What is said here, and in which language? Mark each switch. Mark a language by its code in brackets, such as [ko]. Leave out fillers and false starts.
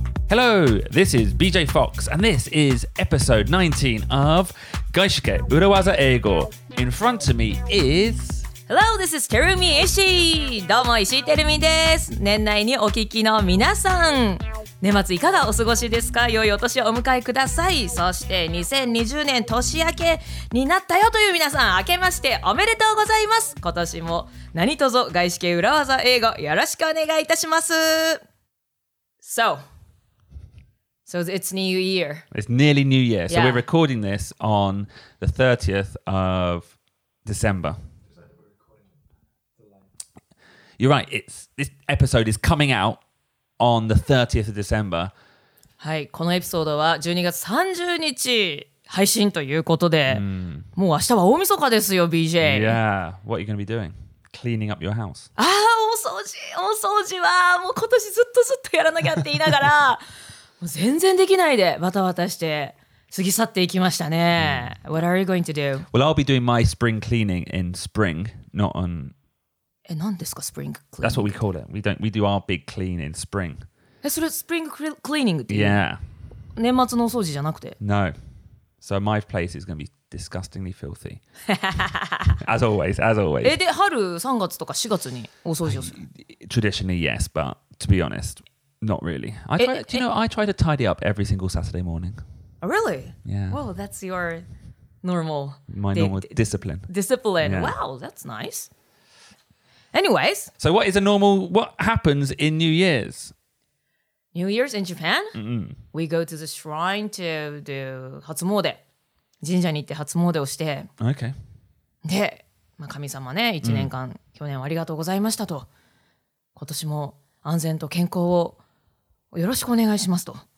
[en] Hello, this is BJ Fox, and this is episode 19 of Gaishike Urawaza Eigo. In front of me is... Hello, this is Terumi Ishii! [ja] どうも、石井テルミです。年内にお聞きの皆さん、年末いかがお過ごしですか？良いお年をお迎えください。そして2020年年明けになったよという皆さん、明けましておめでとうございます。今年も何とぞ外資系裏技英語よろしくお願いいたします。 [en] So it's New Year. It's nearly New Year. So we're recording this on the 30th of December. You're right, this episode is coming out on the 30th of December. [ja] はい、このエピソードは12月30日配信ということで、もう明日は大晦日ですよ、BJ。 [en] Yeah, what are you going to be doing? Cleaning up your house. [ja] ああ、お掃除、お掃除はもう今年ずっとやらなきゃって言いながら、もう全然できないでバタバタして過ぎ去っていきましたね。 [en] What are you going to do? Well, I'll be doing my spring cleaning in spring, not on... [ja] え、何ですか、spring cleaning? [en] That's what we call it. We do our big clean in spring. [ja] え、それ spring cleaning っていう? [en] Yeah. [ja] 年末のお掃除じゃなくて? [en] No. So my place is going to be disgustingly filthy. As always, as always. [ja] え、で、春3月とか4月にお掃除をする? [en] Traditionally, yes, but to be honest, not really. I try to tidy up every single Saturday morning. Really? Yeah. Well, that's your normal... My normal discipline. Discipline. Yeah. Wow, that's nice. Anyways. So what is a normal, what happens in New Year's? New Year's in Japan? Mm-hmm. We go to the shrine to do Hatsumode. [ja] 神社に行って Hatsumode をして。 [en] Okay. [ja] で、まあ、神様ね、一年間、去年はありがとうございましたと。今年も安全と健康をよろしくお願いしますと。